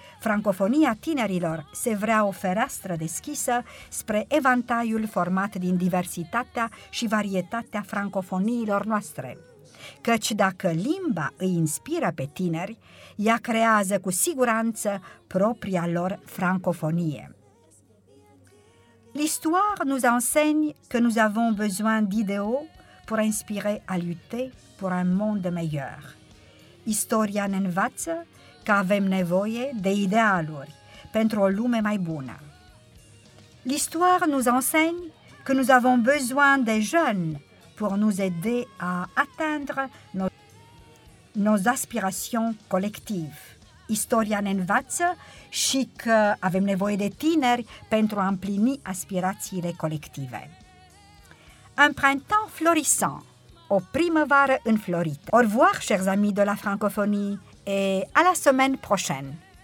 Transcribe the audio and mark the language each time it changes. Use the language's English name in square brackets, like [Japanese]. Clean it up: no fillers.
[Romanian] Francofonia tinerilor se vrea o fereastră deschisă spre evantaiul format din diversitatea și varietatea francofoniilor noastre. Căci dacă limba îi inspiră pe tineri, ea creează cu siguranță propria lor francofonie. [French] L'histoire nous enseigne que nous avons besoin d'idéaux pour inspirer à lutter pour un monde meilleur. [Romanian] Istoria ne învață că avem nevoie de idealuri pentru o lume mai bună. [French] L'histoire nous enseigne que nous avons besoin des jeunes pour nous aider à atteindre nos aspirations collectives. [Romanian] Istoria ne învață și că avem nevoie de tineri pentru a împlini aspirațiile colective. [French] Un printemps florissant, [Romanian] o primăvară înflorită. [French] Au revoir, chers amis de la francophonie, et à la semaine prochaine.